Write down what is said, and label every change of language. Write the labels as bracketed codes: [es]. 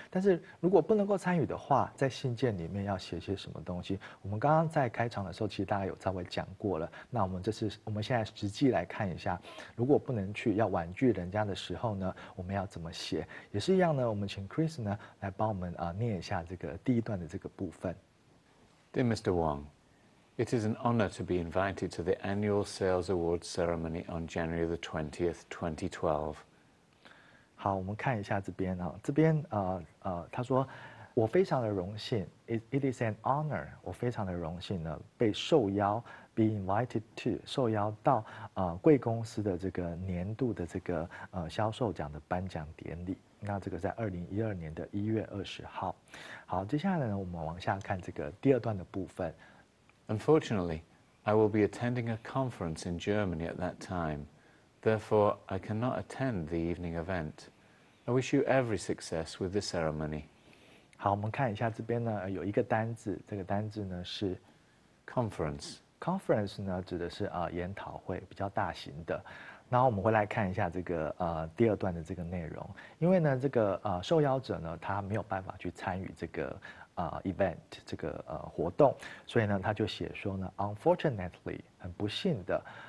[zh] 但是如果不能够参与的话，在信件里面要写些什么东西？我们刚刚在开场的时候，其实大家有稍微讲过了。那我们现在实际来看一下，如果不能去要婉拒人家的时候呢，我们要怎么写？也是一样呢，我们请 Chris 呢来帮我们念一下这个第一段的这个部分。 [en] Dear Mr. Wong, it is an honor to be invited to the annual sales award ceremony on January the 20th, 2012. [zh] 好，我们看一下这边啊，这边他说我非常的荣幸 ， [en] it is an honor， [zh] 我非常的荣幸呢被受邀 [en] be invited to [zh] 受邀到贵公司的这个年度的这个销售奖的颁奖典礼。那这个在2012年的1月20号。好，接下来呢，我们往下看这个第二段的部分。 [en] Unfortunately, I will be attending a conference in Germany at that time. Therefore, I cannot attend the evening event. I wish you every success with the ceremony. [zh] 好，我们看一下这边呢，有一个单字，这个单字呢是 [en] conference。 [zh] Conference 呢指的是研讨会，比较大型的。然后我们会来看一下这个第二段的这个内容，因为呢这个受邀者呢他没有办法去参与这个event 这个活动，所以呢他就写说呢 unfortunately 很不幸的